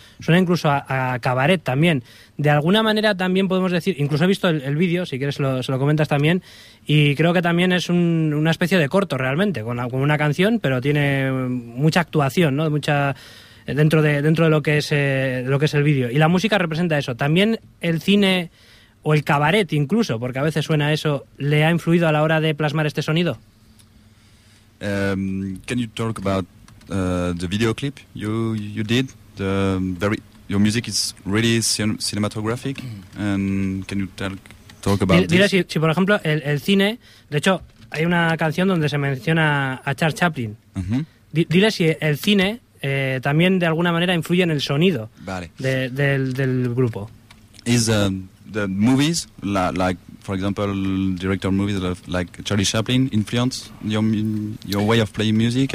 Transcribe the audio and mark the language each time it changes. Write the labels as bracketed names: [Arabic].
[Spanish] Suena incluso a cabaret también. De alguna manera también podemos decir, incluso he visto el vídeo, si quieres se lo comentas también, y creo que también es una especie de corto realmente, con una canción, pero tiene mucha actuación, ¿no? dentro de lo que es el vídeo. Y la música representa eso. También el cine o el cabaret incluso, porque a veces suena eso, ¿le ha influido a la hora de plasmar este sonido? [English] Can you talk about the video clip you did? Your music is really cinematographic, and can you talk about this? [Spanish] Dile si por ejemplo el cine, de hecho hay una canción donde se menciona a Charles Chaplin. Dile si el cine también de alguna manera influye en el sonido del grupo. [English] Is the movies like, for example, director movies like Charlie Chaplin influence your way of playing music?